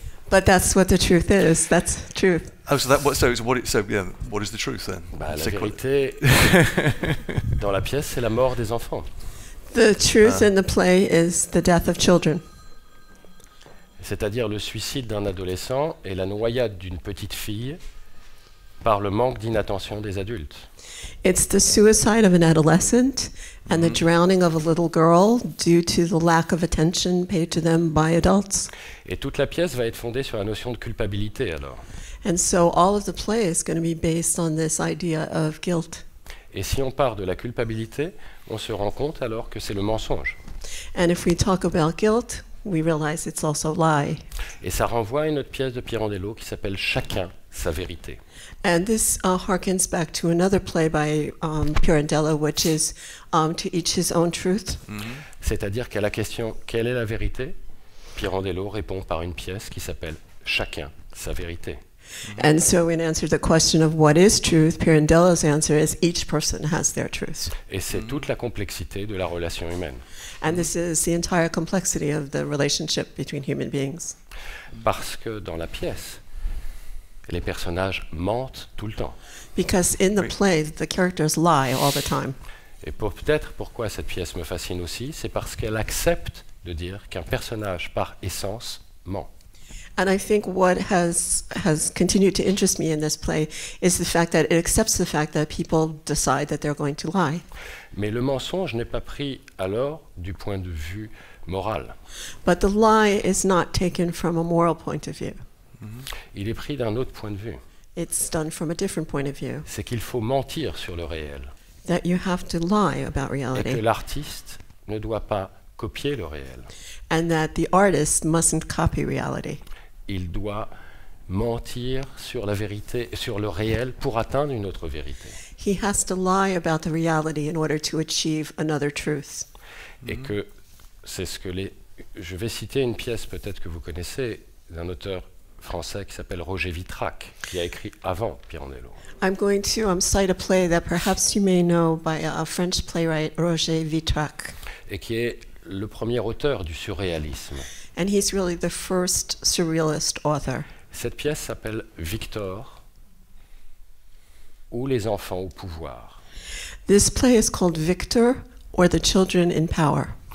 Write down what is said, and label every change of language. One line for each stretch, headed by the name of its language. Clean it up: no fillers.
English: But that's what the truth is. That's truth. Oh, what is the truth then?
French: Bah, la vérité. Dans la pièce, c'est la mort des enfants.
English: The truth in the play is the death of children.
French: C'est-à-dire le suicide d'un adolescent et la noyade d'une petite fille par le manque d'inattention des adultes.
English: It's the suicide of an adolescent and the drowning of a little girl due to the lack of attention paid to them by adults.
French: Et toute la pièce va être fondée sur la notion de culpabilité alors.
English: And so all of the play is going to be based on this idea of guilt.
French: Et si on part de la culpabilité, on se rend compte alors que c'est le mensonge.
English: And if we talk about guilt, we realize it's also a lie.
French: Et ça renvoie à une autre pièce de Pirandello qui s'appelle Chacun sa vérité.
English: And this harkens back to another play by Pirandello, which is To Each His Own Truth. Mm-hmm.
French: C'est-à-dire qu'à la question Quelle est la vérité? Pirandello répond par une pièce qui s'appelle Chacun sa vérité. Mm-hmm.
English: And so in answer to the question of what is truth, Pirandello's answer is each person has their truth.
French: Et c'est toute la complexité de la relation humaine.
English: And this is the entire complexity of the relationship between human beings.
French: Parce que dans la pièce, les personnages mentent tout le temps.
English: Because in the play, the characters lie all the time.
French: Et peut-être pourquoi cette pièce me fascine aussi, c'est parce qu'elle accepte de dire qu'un personnage par essence ment.
English: And I think what has continued to interest me in this play is the fact that it accepts the fact that people decide that they're going to lie.
French: Mais le mensonge n'est pas pris alors du point de vue moral.
English: But the lie is not taken from a moral point of view. Mm-hmm.
French: Il est pris d'un autre point de vue.
English: It's done from a different point of view.
French: C'est qu'il faut mentir sur le réel.
English: That you have to lie about reality.
French: Et que l'artiste ne doit pas copier le réel.
English: And that the artist mustn't copy reality.
French: Il doit mentir sur la vérité, sur le réel, pour atteindre une autre vérité.
English: He has to lie about the reality in order to achieve another truth.
French: Mm-hmm. Et que c'est ce que les. Je vais citer une pièce peut-être que vous connaissez d'un auteur français qui s'appelle Roger Vitrac, qui a écrit avant Pirandello.
English: I'm going to cite a play that perhaps you may know by a French playwright Roger Vitrac.
French: Et qui est le premier auteur du surréalisme.
English: And he's really the first surrealist author.
French: Cette pièce s'appelle Victor ou les enfants au pouvoir.
English: This play is called Victor or the children in power.